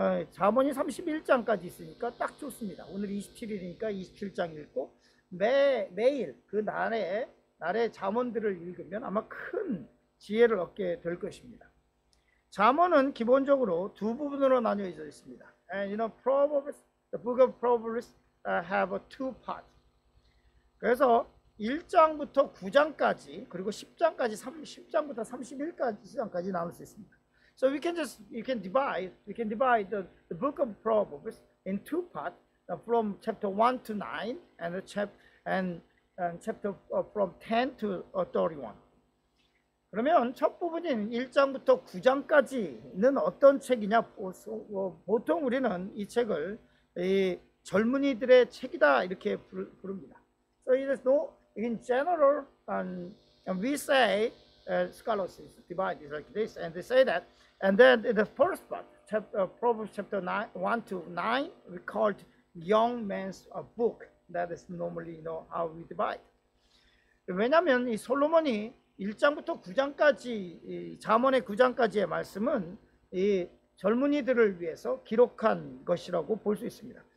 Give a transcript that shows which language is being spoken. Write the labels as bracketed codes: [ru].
[ko] 잠언이 31장까지 있으니까 딱 좋습니다. 오늘 27일이니까 27장 읽고 매일 그 날에 잠언들을 읽으면 아마 큰 지혜를 얻게 될 것입니다. 잠언은 기본적으로 두 부분으로 나뉘어져 있습니다. [en] And you know, Proverbs, the book of Proverbs have two parts. [ko] 그래서 1장부터 9장까지, 그리고 10장까지, 10장부터 31장까지 나눌 수 있습니다. [en] So we can divide the book of Proverbs in two parts, from chapter 1 to 9, and chapter from 10 to 31. [ko] 그러면 첫 부분인 1장부터 9장까지는 어떤 책이냐? 보통 우리는 이 책을 젊은이들의 책이다 이렇게 부릅니다. [en] So it is no, in general, and we say scholars divide it like this, and they say that, and then in the first part, chapter, Proverbs chapter 9:1-9, we called young man's book. That is normally, you know, how we divide. [ko] 왜냐하면 이 솔로몬이 1장부터 9장까지 이 잠언의 9장까지의 말씀은 이 젊은이들을 위해서 기록한 것이라고 볼 수 있습니다.